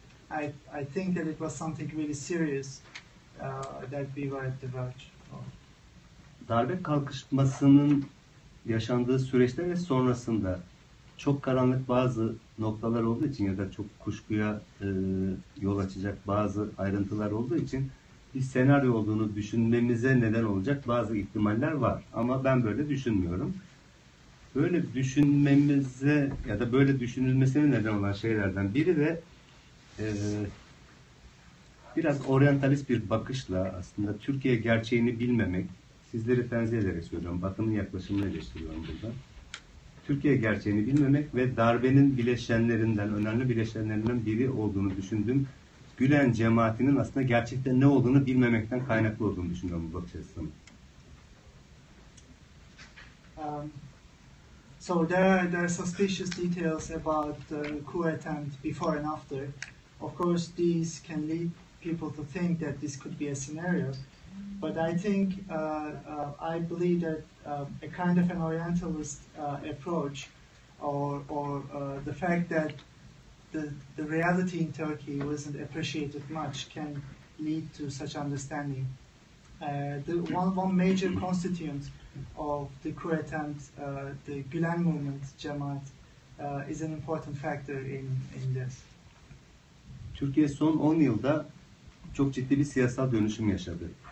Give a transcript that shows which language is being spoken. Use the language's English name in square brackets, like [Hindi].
[English] I think that it was something really serious that we were at the verge of. [Turkish] Darbe kalkışmasının yaşandığı süreçte ve sonrasında çok karanlık bazı noktalar olduğu için ya da çok kuşkuya yol açacak bazı ayrıntılar olduğu için bir senaryo olduğunu düşünmemize neden olacak bazı ihtimaller var. Ama ben böyle düşünmüyorum. Böyle düşünmemize ya da böyle düşünülmesine neden olan şeylerden biri de biraz oryantalist bir bakışla aslında Türkiye gerçeğini bilmemek, sizleri tenzih ederek söylüyorum, Batı'nın yaklaşımını eleştiriyorum burada. Türkiye gerçeğini bilmemek ve darbenin bileşenlerinden, önemli bileşenlerinden biri olduğunu düşündüğüm Gülen cemaatinin aslında gerçekten ne olduğunu bilmemekten kaynaklı olduğunu düşünüyorum bu bakış açısından. [English] So there are suspicious details about the coup attempt before and after. Of course, these can lead people to think that this could be a scenario. But I think, I believe that a kind of an Orientalist approach or the fact that the reality in Turkey wasn't appreciated much can lead to such understanding. The one major constituent of the coup attempt, the Gülen movement, Cemaat, is an important factor in this. [Turkish] Türkiye son 10 yılda çok ciddi bir siyasal dönüşüm yaşadı.